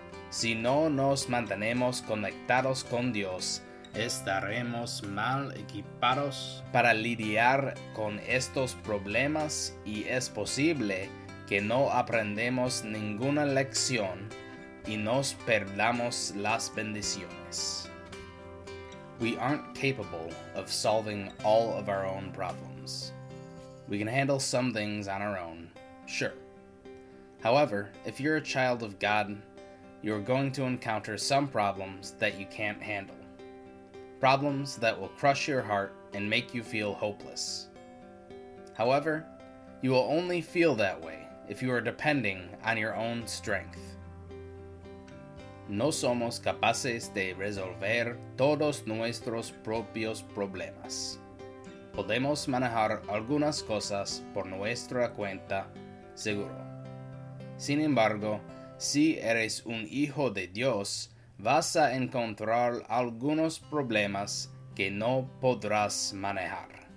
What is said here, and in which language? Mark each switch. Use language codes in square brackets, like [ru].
[es] Si no nos mantenemos conectados con Dios, estaremos mal equipados para lidiar con estos problemas y es posible que no aprendamos ninguna lección y nos perdamos las bendiciones. [en] We aren't capable of solving all of our own problems. We can handle some things on our own, sure. However, if you're a child of God, you're going to encounter some problems that you can't handle. Problems that will crush your heart and make you feel hopeless. However, you will only feel that way if you are depending on your own strength. [es] No somos capaces de resolver todos nuestros propios problemas. Podemos manejar algunas cosas por nuestra cuenta, seguro. Sin embargo, si eres un hijo de Dios, vas a encontrar algunos problemas que no podrás manejar.